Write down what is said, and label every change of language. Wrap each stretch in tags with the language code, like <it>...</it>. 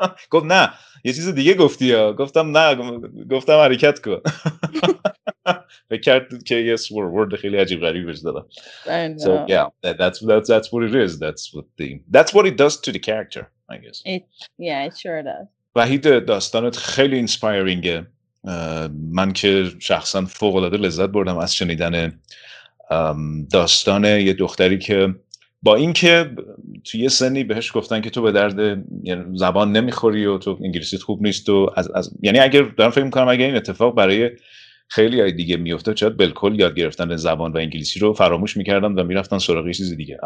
<fa>گفت نه یه چیز دیگه گفتی ها. گفتم نه گفتم حرکت کن. فکر کرد که یه swear word خیلی عجیب غریب بهش دادم.</fa> <en>So yeah, that's what it is. That's what it does to the character, I guess. It sure does.</en> <fa>وحید داستانت خیلی اینسپایرینگه. من که شخصا فوق‌العاده لذت بردم از شنیدن داستان یه دختری که با اینکه توی یه سنی بهش گفتن که تو به درد زبان نمیخوری و تو انگلیسیت خوب نیست و از یعنی اگر دارم فکر میکنم اگر این اتفاق برای خیلی های دیگه میفته چاید بالکل یاد گرفتن زبان و انگلیسی رو فراموش میکردن و میرفتن سراغی چیز دیگه.</fa>